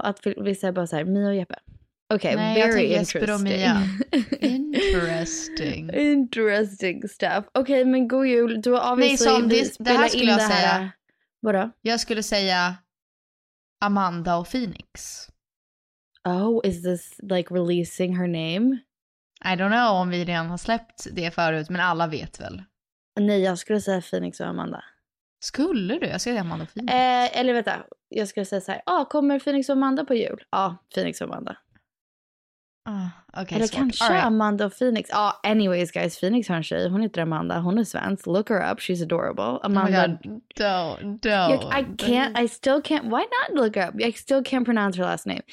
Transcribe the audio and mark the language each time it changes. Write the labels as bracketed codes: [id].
[sv] Att vissa bara säger Mia och Jeppe. [en] Okay, [sv] nej, [en] very [sv] jag tror Jesper och Mia. Interesting. [en] Interesting stuff. [sv] Okej, okay, men god jul. Du har obviously spelat in det här. Vadå? Jag skulle säga Amanda och Phoenix. [en] Oh, is this like releasing her name? I don't know [sv] om vi redan har släppt det förut, men alla vet väl. Nej, jag skulle säga Phoenix och Amanda. Skulle du? Jag skulle säga Amanda och Phoenix. Eller vänta, jag skulle säga så här. Ah, kommer Phoenix och Amanda på jul? Ja, Phoenix och Amanda. [en] Okay, [sv] eller svårt. Kanske right. Amanda och Phoenix. Ja, oh, [en] anyways guys, [sv] Phoenix har en tjej. Hon heter Amanda, hon är svensk. [en] Look her up, she's adorable. Amanda. Oh my god, don't. I still can't, why not look her up? I still can't pronounce her last name.